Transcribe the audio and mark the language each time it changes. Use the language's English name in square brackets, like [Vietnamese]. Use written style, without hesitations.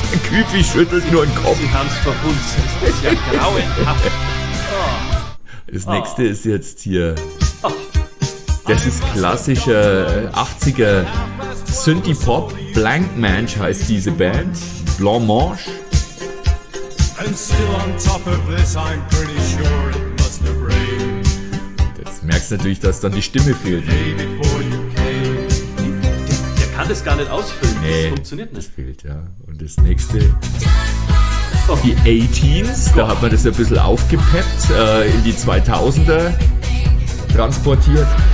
[German] Creepy schüttelt nur den Kopf. Sie haben es verhunzt. Das ist ja grauenhaft. Das nächste ist jetzt hier. Das ist klassischer 80er Synthie-Pop. Blank Mange heißt diese Band. Blanc Mange. [English] And still on top of this, I'm pretty sure it must have rained. [German] Jetzt merkst du natürlich, dass dann die Stimme fehlt. [English] Hey, before you came. [German] Der kann das gar nicht ausfüllen. Nee, das funktioniert nicht. Das fehlt, ja. Und das nächste. Die 18s. Da hat man das ein bisschen aufgepeppt. In die 2000er transportiert.